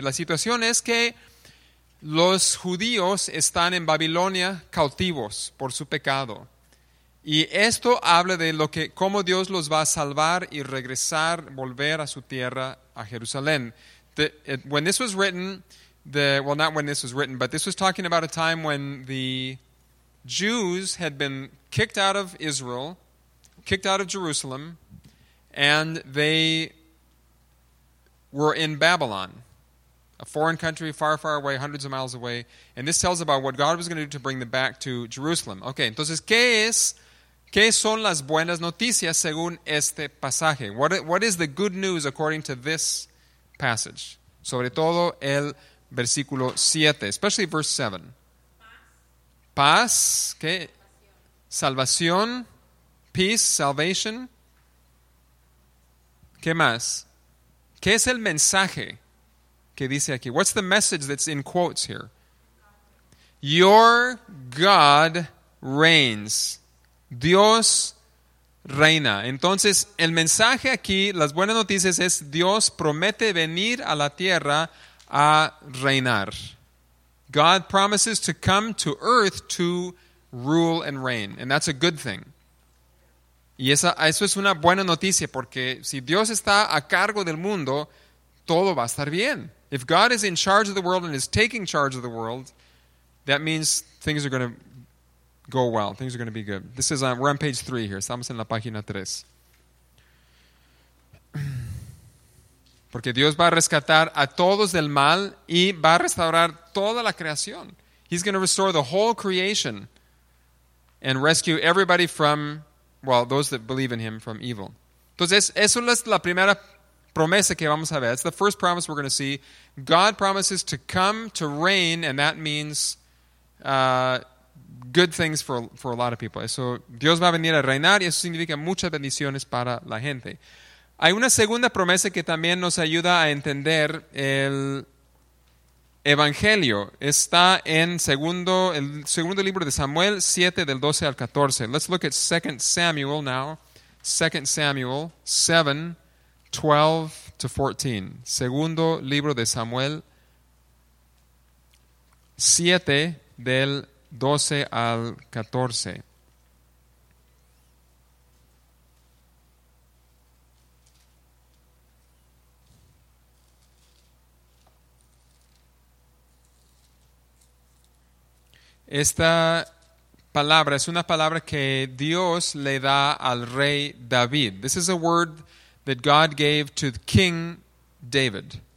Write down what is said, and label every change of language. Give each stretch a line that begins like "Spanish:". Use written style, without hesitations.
Spanish: La situación es que los judíos están en Babilonia cautivos por su pecado. Y esto habla de lo que, cómo Dios los va a salvar y regresar, volver a su tierra, a Jerusalén.
English: When this was written, not when this was written, but this was talking about a time when the Jews had been kicked out of Israel, kicked out of Jerusalem, and they were in Babylon, a foreign country far, far away, hundreds of miles away. And this tells about what God was going to do to bring them back to Jerusalem.
Spanish: Okay, entonces, ¿qué es? ¿Qué son las buenas noticias según este pasaje?
English: What is the good news according to this passage?
Spanish: Sobre todo el versículo 7,
English: especially verse 7.
Spanish: Paz. Paz, ¿qué? Salvación.
English: Peace, salvation.
Spanish: ¿Qué más? ¿Qué es el mensaje que dice aquí?
English: What's the message that's in quotes here? Your God reigns.
Spanish: Dios reina. Entonces, el mensaje aquí, las buenas noticias es Dios promete venir a la tierra a reinar.
English: God promises to come to earth to rule and reign. And that's a good thing.
Spanish: Y eso es una buena noticia porque si Dios está a cargo del mundo, todo va a estar bien.
English: If God is in charge of the world and is taking charge of the world, that means things are going to go well. Things are going to be good. This is we're on page 3 here.
Spanish: Estamos en la página 3. Porque Dios va a rescatar a todos del mal y va a restaurar toda la creación.
English: He's going to restore the whole creation and rescue everybody from, well, those that believe in him, from evil.
Spanish: Entonces, eso es la primera promesa que vamos a ver.
English: It's the first promise we're going to see. God promises to come to reign, and that means good things for a lot of people.
Spanish: Eso, Dios va a venir a reinar y eso significa muchas bendiciones para la gente. Hay una segunda promesa que también nos ayuda a entender el Evangelio. Está en el segundo libro de Samuel 7, del 12 al 14.
English: Let's look at 2 Samuel now. 2 Samuel 7, 12 to 14.
Spanish: Segundo libro de Samuel 7, del 12 al 14. Esta palabra es una palabra que Dios le da al rey David.
English: This is a word that God gave to King David.